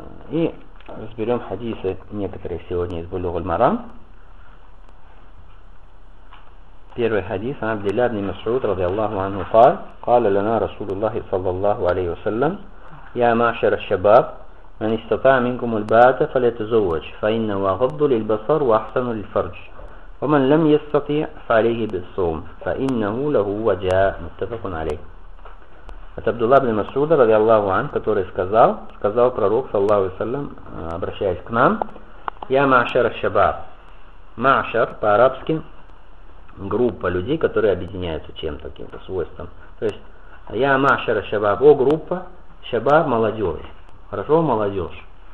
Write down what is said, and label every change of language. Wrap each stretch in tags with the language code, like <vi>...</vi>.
<ru>И разберем хадисы некоторые сегодня из Булугуль Марам. Первый хадис от</ru> <ar>Абдилля ибн Масуд радиаллаху анху قال لنا رسول الله صلى الله عليه وسلم يا معشر الشباب من استطاع منكم الباءة فليتزوج فإنه أغض للبصر وأحسن للفرج ومن لم يستطع فعليه بالصوم فإنه له وجاء متفق عليه.</ar> <ru>Это Абдулла ибн Масуда, ради Аллаху ан, который сказал пророк, саллаху алейхи, обращаясь к нам,</ru> <ar>«Я маашар ашабаб».</ar> <ru>Маашар по-арабски группа людей, которые объединяются чем-то, каким-то свойством. То есть</ru> <ar>«Я маашар ашабаб»</ar> <ru>– о, группа, шабаб – молодежь. Хорошо, молодежь.</ru>